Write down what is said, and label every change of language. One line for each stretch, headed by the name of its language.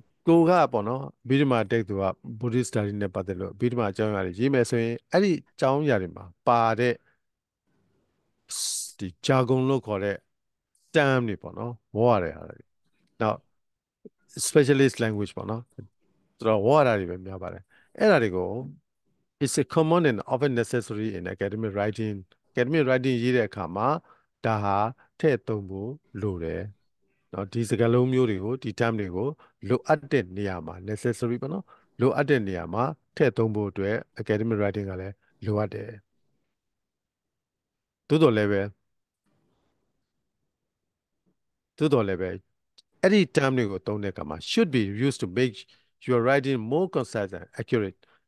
Burmese: ကိုကပေါ့နော်ဘိဓမ္မာတိတ်သူကဘုဒ္ဓစတာဒီနဲ့ပတ်သက်လို့ဘိဓမ္မာအကြောင်းအရာတွေရေးမယ်ဆိုရင်အဲ့ဒီအကြောင်းအရာတွေမှာပါတဲ့ ဒီဂျာဂွန်လို့ခေါ်တဲ့ term တွေပေါ့နော်ဝေါ်ရတဲ့အရာတွေ Now specialist language ပေါ့နော်သူတော့ဝေါ်ရတာတွေပဲများပါတယ်အဲ့ဒါတွေကို
English: It's a common and often necessary in academic writing.
Burmese: Academic writing ရေးတဲ့အခါမှာဒါဟာထည့်သုံးဖို့လိုတယ်။နော်ဒီစကားလုံးမျိုးတွေကိုဒီ term တွေကိုလိုအပ်တဲ့နေရာမှာ necessary ပေါ့နော်။လိုအပ်တဲ့နေရာမှာထည့်သုံးဖို့အတွက် academic writing ကလည်းလိုအပ်တယ်။သို့တော်လည်းပဲအဲ့ဒီ term တွေကိုသုံးတဲ့အခါမှာ
English: should be used to make your writing more concise and accurate.